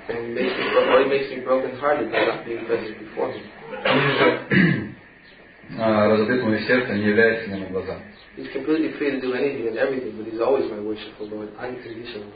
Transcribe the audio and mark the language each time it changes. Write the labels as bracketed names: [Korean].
[English] Or he makes me broken-hearted by not being present before him. [Russian] Или же разобьет мое сердце, не является мне на глаза. [English] He's completely free to do anything and everything, but he's always my worshipful Lord, unconditional.